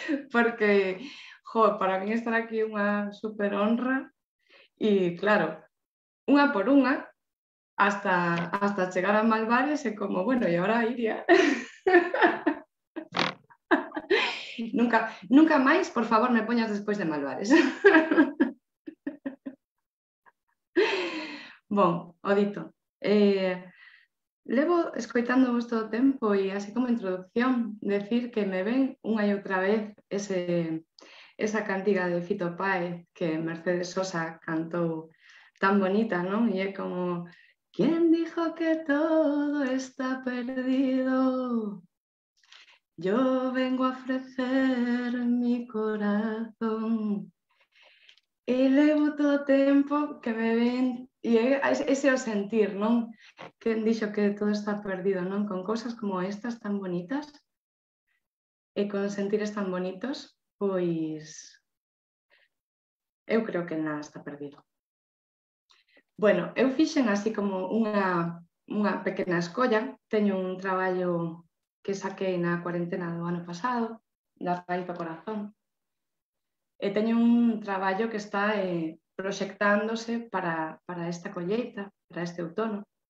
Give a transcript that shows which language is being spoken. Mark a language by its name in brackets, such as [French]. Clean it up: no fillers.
[Spanish] Porque, para mí estar aquí una super honra. Y claro, una por una, hasta llegar a Malvares, y como, bueno, y ahora Iria. [Galician] Nunca, nunca máis, por favor, me poñas despois de Malvares. Bom, o dito. Levo escoitando vuestro tempo e así como introducción decir que me ven unha e outra vez esa cantiga de Fito Páez que Mercedes Sosa cantou tan bonita, non? E é como [Spanish] ¿quién dijo que todo está perdido? Yo vengo a ofrecer mi corazón. [Galician] E levo todo o tempo que me ven e ese é o sentir, non? Quen dixo que todo está perdido, non? Con cousas como estas tan bonitas e con sentires tan bonitos, pois eu creo que nada está perdido. Bueno, eu fixen así como unha pequena escolla. Teño un traballo que saquei na cuarentena do ano pasado, da Raíz do Corazón. E teño un traballo que está proxectándose para esta colleita, para este outono.